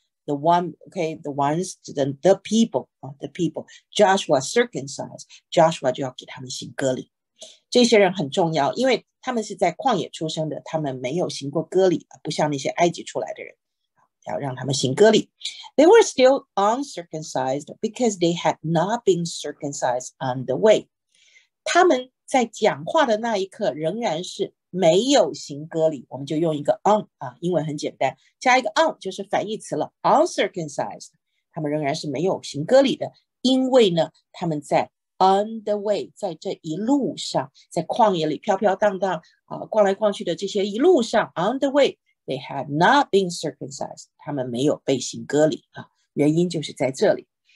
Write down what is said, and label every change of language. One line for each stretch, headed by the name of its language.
English: The one，OK，the ones
Chinese: 指的
English: the people 啊，the people。
Chinese: Joshua circumcised，Joshua 就要给他们行割礼。这些人很重要，因为他们是在旷野出生的，他们没有行过割礼，不像那些埃及出来的人，要让他们行割礼。
English: They were still uncircumcised because they had not been circumcised on the way。
Chinese: 他们。在讲话的那一刻，仍然是没有行割礼。我们就用一个 on 啊，英文很简单，加一个 on 就是反义词了。 Uncircumcised，他们仍然是没有行割礼的，因为呢，他们在
English: on the way，
Chinese: 在这一路上，在旷野里飘飘荡荡啊，逛来逛去的这些一路上，on the way，
English: they had not been circumcised，
Chinese: 他们没有被行割礼啊，原因就是在这里。